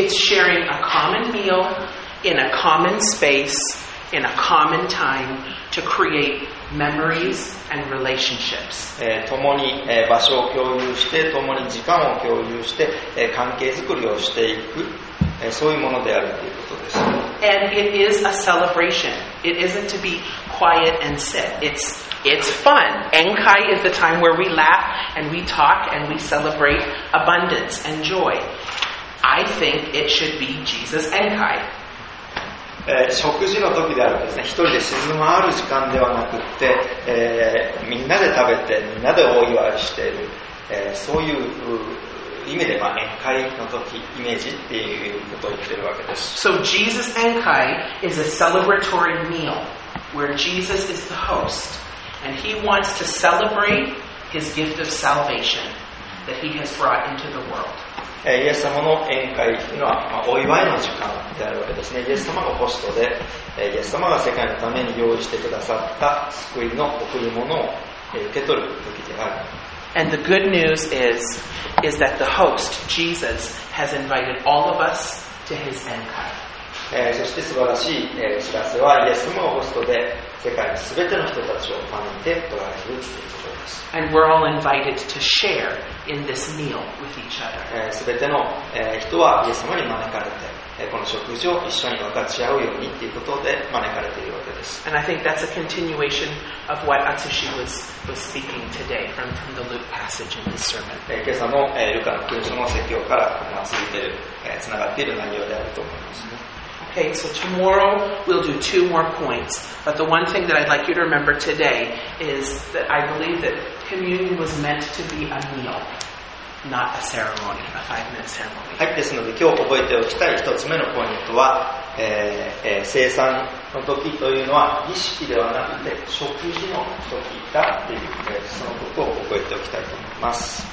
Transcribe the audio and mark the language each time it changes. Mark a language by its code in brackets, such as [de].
[en] It's sharing a common meal in a common space in a common time to createMemories and relationships. [ja] 共に場所を共有して、共に時間を共有して、関係づくりをしていく、そういうものであるということです。 [en] And it is a celebration. It isn't to be quiet and sit. It's fun. Enkai is the time where we laugh and we talk and we celebrate abundance and joy. I think it should be Jesus Enkai. [ja] 食事の時であるとですね、一人で静まる時間ではなくって、みんなで食べて、みんなでお祝いしている、そういう意味で、宴会の時、イメージっていうことを言ってるわけです。 [en] So Jesus 宴会 is a celebratory meal where Jesus is the host and he wants to celebrate his gift of salvation that he has brought into the world. [ja] イエス様の宴会というのはお祝いの時間であるわけですね。イエス様がホストで、イエス様が世界のために用意してくださった救いの贈り物を受け取る時である。 [en] And the good news is that the host, Jesus, has invited all of us to his 宴会。 [ja] そして素晴らしい知らせは、イエス様がホストで世界の全ての人たちを招いておられるということです。 [en] And we're all invited to share in this meal with each other. [ja] 全ての人はイエス様に招かれて、この食事を一緒に分かち合うようにということで招かれているわけです。 [en] And I think that's a continuation of what Atsushi was speaking today from the Luke passage in his sermon. [ja] 今朝のルカの福音書の説教から続いている、つながっている内容であると思いますね。 [en] Okay, so tomorrow we'll do two more points. But the one thing that I'd like you to remember today is that I believe that communion was meant to be a meal, not a ceremony, a five-minute ceremony. [ja] はい、ですので今日覚えておきたい一つ目のポイントは、聖餐の時というのは儀式ではなくて食事の時だという、そのことを覚えておきたいと思います。